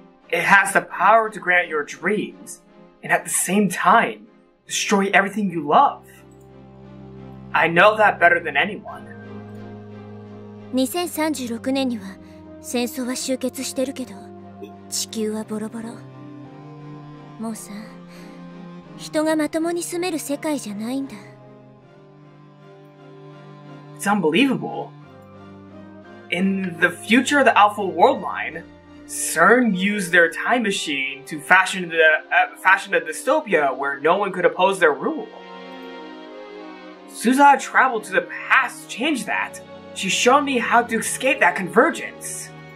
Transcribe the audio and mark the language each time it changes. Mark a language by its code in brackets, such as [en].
[en] It has the power to grant your dreams and at the same time destroy everything you love. I know that better than anyone. [ja] 2036年には戦争は終結してるけど、地球はボロボロ。もうさ、人がまともに住める世界じゃないんだ。 [en] It's unbelievable. In the future of the Alpha Worldline, CERN used their time machine to fashion a dystopia where no one could oppose their rule. Suzuha traveled to the past to change that. She showed me how to escape that convergence.